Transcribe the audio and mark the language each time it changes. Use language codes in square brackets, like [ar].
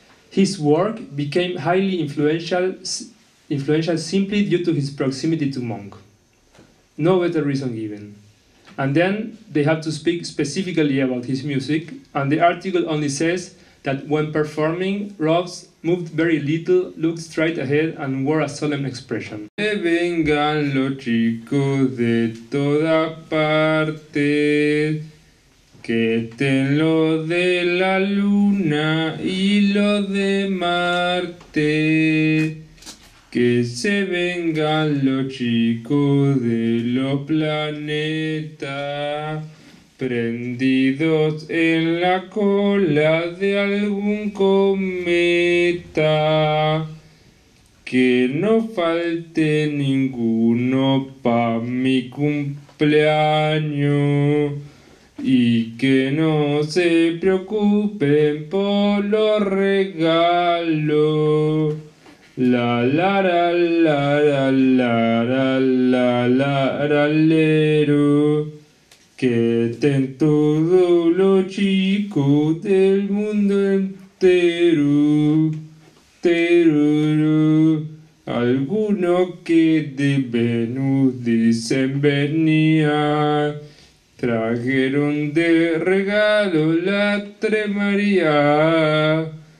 [en] His work became highly influential simply due to his proximity to Monk. No better reason given. And then they have to speak specifically about his music, and the article only says that when performing, Robs moved very little, looked straight ahead, and wore a solemn expression. [es] Que vengan los chicos de toda parte, que estén los de la luna y los de Marte. Que se vengan los chicos de los planetas. Prendidos en la cola de algún cometa, que no falte ninguno pa' mi cumpleaños, y que no se preocupen por los regalos. La la la la la la la la la la la la. Que estén todos los chicos del mundo entero, teruru. Algunos que de Venus dicen venía, trajeron de regalo la tremaría.